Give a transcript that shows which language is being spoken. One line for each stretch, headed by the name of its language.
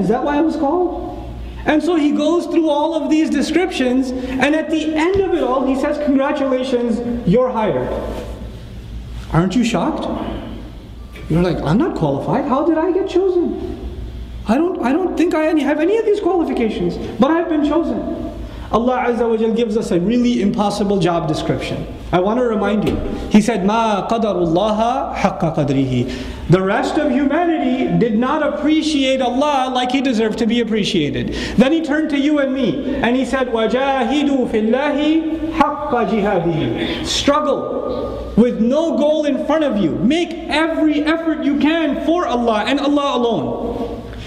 English: Is that why I was called? And so he goes through all of these descriptions, and at the end of it all, he says, congratulations, you're hired. Aren't you shocked? You're like, I'm not qualified. How did I get chosen? I don't think I have any of these qualifications, but I've been chosen. Allah Azza wa Jal gives us a really impossible job description. I want to remind you. He said,
Arabic: مَا قَدَرُ اللَّهَ حَقَّ قَدْرِهِ.
English: The rest of humanity did not appreciate Allah like he deserved to be appreciated. Then he turned to you and me, and he said,
Arabic: وَجَاهِدُوا فِي اللَّهِ حَقَّ جِهَادِهِ.
English: Struggle with no goal in front of you. Make every effort you can for Allah and Allah alone.